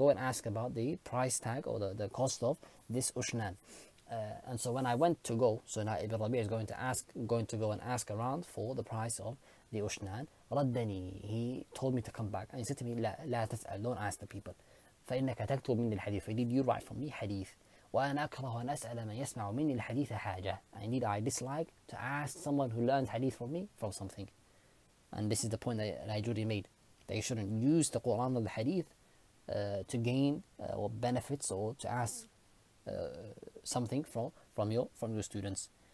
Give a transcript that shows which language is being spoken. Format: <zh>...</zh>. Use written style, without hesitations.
<en>Go and ask about the price tag or the cost of this ushnan. And so when I went to go, so now Ibn Rabi' is going to go and ask around for the price of the ushnan. Raddani, he told me to come back, and he said to me,</en> <ar>"La tas'al,</ar> <en>don't ask the people.</en> <ar>فإنك تكتب مني الحديث."</ar> <en>Indeed, you write for me hadith.</en> <ar>وأنا أكره أن أسأل من يسمع مني الحديث حاجة.</ar> <en>Indeed, I dislike to ask someone who learns hadith from me from something. And this is the point that I already made, that you shouldn't use the Quran or the hadith to gain or benefits or to ask something from your students.</en>